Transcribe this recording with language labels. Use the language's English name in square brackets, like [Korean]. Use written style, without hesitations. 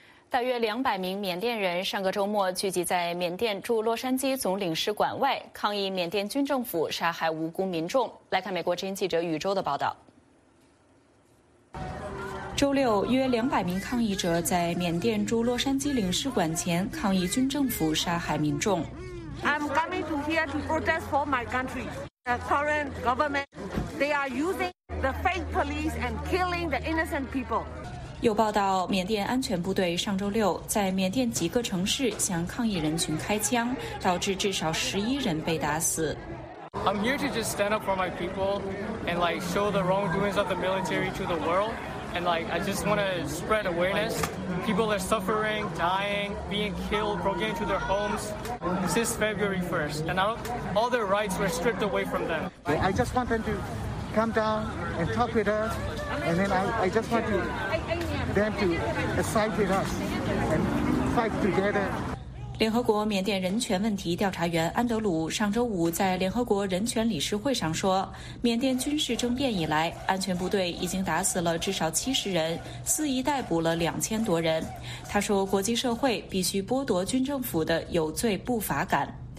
[Chinese] 大约200名缅甸人上个周末聚集在缅甸驻洛杉矶总领事馆外，抗议缅甸军政府杀害无辜民众。来看美国之音记者宇宙的报道。周六，约200名抗议者在缅甸驻洛杉矶领事馆前抗议军政府杀害民众。 [English] I'm coming to here to protest for my country. The current government, they are using the fake police and killing the innocent people. [Chinese] 有报道，缅甸安全部队上周六在缅甸几个城市向抗议人群开枪，导致至少11人被打死。 [English] I'm here to just stand up for my people and like show the wrongdoings of the military to the world. And like I just want to spread awareness. People are suffering, dying, being killed, broken into their homes since February 1st. And all their rights were stripped away from them. I just want them to come down and talk with us. And then I just want them to side with us and fight together. [Chinese] 联合国缅甸人权问题调查员安德鲁上周五在联合国人权理事会上说，缅甸军事政变以来，安全部队已经打死了至少70人，肆意逮捕了2000多人。他说，国际社会必须剥夺军政府的有罪不法感。